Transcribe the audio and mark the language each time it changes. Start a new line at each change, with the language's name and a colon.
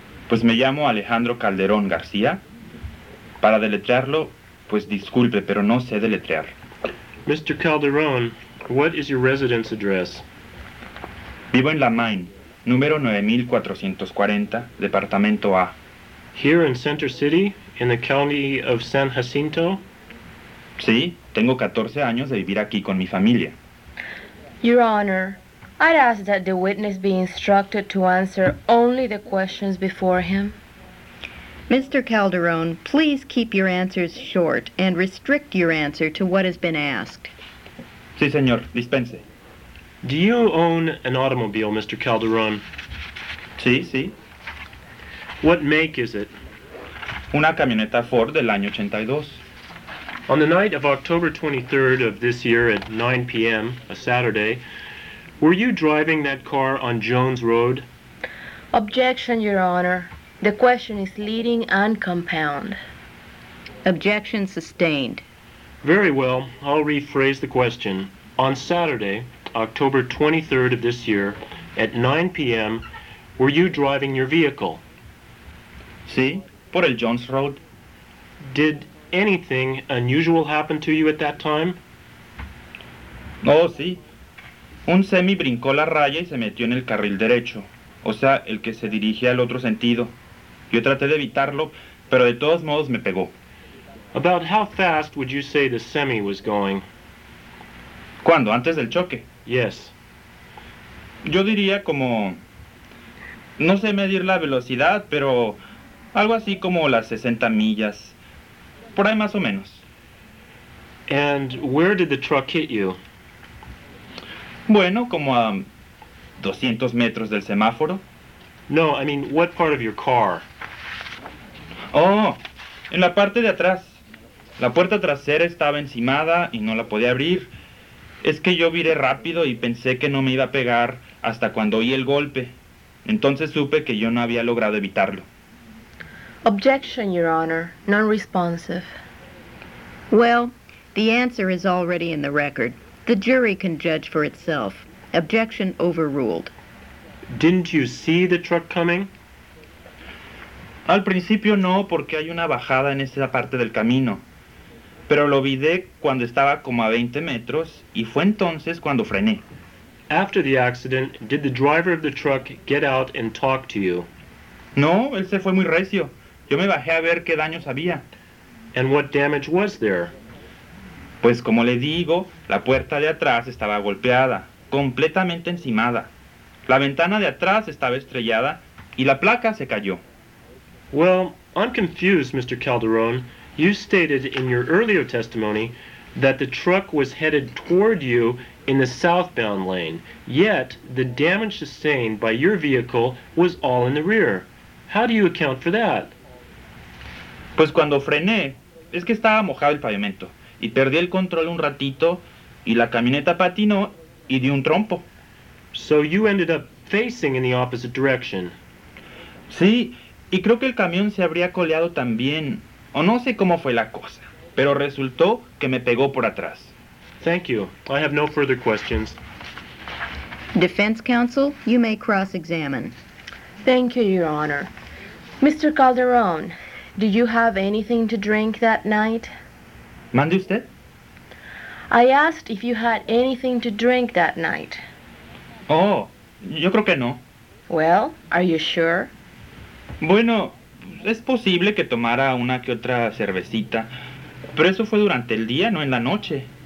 Spanish: Pues me llamo Alejandro Calderón García. Para deletrearlo, pues disculpe, pero no sé deletrear.
English: Mr. Calderón, what is your residence address?
Spanish: Vivo en La Main, número 9440, departamento A.
English: Here in Center City, in the county of San Jacinto?
Spanish: Sí, tengo 14 años de vivir aquí con mi familia.
English: Your Honor, I'd ask that the witness be instructed to answer only the questions before him. Mr. Calderon, please keep your answers short and restrict your answer to what has been asked.
Spanish: Sí, señor. Dispense.
English: Do you own an automobile, Mr. Calderon?
Spanish: Sí, sí.
English: What make is it?
Spanish: Una camioneta Ford del año 82.
English: On the night of October 23rd of this year at 9 p.m., a Saturday, were you driving that car on Jones Road? Objection, Your Honor. The question is leading and compound. Objection sustained. Very well. I'll rephrase the question. On Saturday, October 23rd of this year, at 9 p.m., were you driving your vehicle?
Spanish: Sí, por el Jones Road.
English: Did anything unusual happened to you at that time?
Spanish: Oh, sí. Un semi brincó la raya y se metió en el carril derecho, o sea, el que se dirige al otro sentido. Yo traté de evitarlo, pero de todos modos me pegó.
English: About how fast would you say the semi was going?
Spanish: ¿Cuándo? ¿Antes del choque?
English: Yes.
Spanish: Yo diría como, no sé medir la velocidad, pero algo así como las 60 millas. Por ahí más o menos.
English: And where did the truck hit you?
Spanish: Bueno, como a 200 metros del semáforo.
English: No, I mean, what part of your car?
Spanish: Oh, en la parte de atrás. La puerta trasera estaba encimada y no la podía abrir. Es que yo viré rápido y pensé que no me iba a pegar hasta cuando oí el golpe. Entonces supe que yo no había logrado evitarlo.
English: Objection, Your Honor. Non-responsive. Well, the answer is already in the record. The jury can judge for itself. Objection overruled. Didn't you see the truck coming?
Spanish: Al principio no, porque hay una bajada en esa parte del camino. Pero lo vi cuando estaba como a 20 metros, y fue entonces cuando frené.
English: After the accident, did the driver of the truck get out and talk to you?
Spanish: No, él se fue muy recio. Yo me bajé a ver qué daños había.
English: And what damage was there?
Spanish: Pues como le digo, la puerta de atrás estaba golpeada, completamente encimada. La ventana de atrás estaba estrellada y la placa se cayó.
English: Well, I'm confused, Mr. Calderon. You stated in your earlier testimony that the truck was headed toward you in the southbound lane, yet the damage sustained by your vehicle was all in the rear. How do you account for that?
Spanish: Pues cuando frené, es que estaba mojado el pavimento, y perdí el control un ratito, y la camioneta patinó y dio un trompo.
English: So you ended up facing in the opposite direction.
Spanish: Sí, y creo que el camión se habría coleado también, o no sé cómo fue la cosa, pero resultó que me pegó por atrás.
English: Thank you. I have no further questions. Defense counsel, you may cross-examine. Thank you, Your Honor. Mr. Calderon, did you have anything to drink that night?
Spanish: ¿Mande usted?
English: I asked if you had anything to drink that night.
Spanish: Oh, yo creo que no.
English: Well, are you sure?
Spanish: Bueno, es posible que tomara una que otra cervecita, pero eso fue durante el día, no en la noche.